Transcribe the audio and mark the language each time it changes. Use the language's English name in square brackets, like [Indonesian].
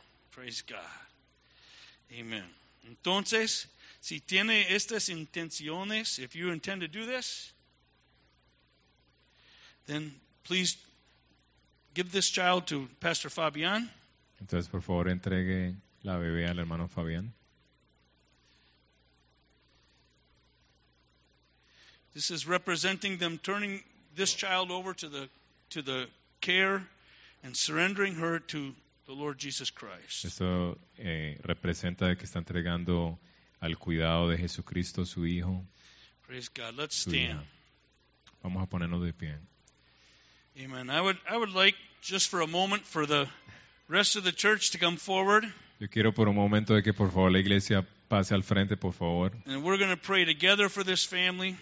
[English] Praise God. Amen. [Spanish] Entonces, si tiene estas intenciones, [English] if you intend to do this, then please give this child to Pastor Fabian. [Spanish] Entonces, por favor, entregue la bebé al hermano Fabián. [English] This is representing them turning this child over to the care and surrendering her to the Lord Jesus Christ. [Spanish] Esto representa que está entregando al cuidado de Jesucristo su hijo. [English] Praise God. Let's stand. [Spanish] Vamos a ponernos de pie. [English] Amen. I would like just for a moment for the rest of the church to come forward. [Spanish] Yo quiero por un momento de que por favor la iglesia pase al frente, por favor. [English] And we're going to pray together for this family.